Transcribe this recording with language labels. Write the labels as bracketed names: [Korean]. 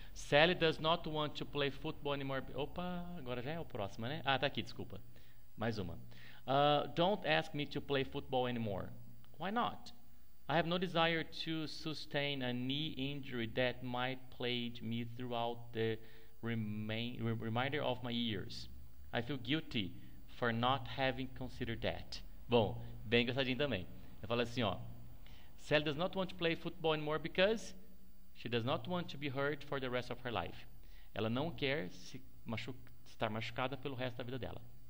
[English] Sally does not want to play football anymore. [Portuguese] Opa, agora já é o próximo, né? Ah, tá aqui, desculpa. Mais uma. [English] Don't ask me to play football anymore. Why not? I have no desire to sustain a knee injury that might plague me throughout the remainder of my years. I feel guilty for not having considered that. [Portuguese] Bom, bem engraçadinho também. Ele fala assim, ó. [English] Sally does not want to play football anymore because she does not want to be hurt for the rest of her life. [Portuguese] Ela não quer se machu estar machucada pelo resto da vida dela.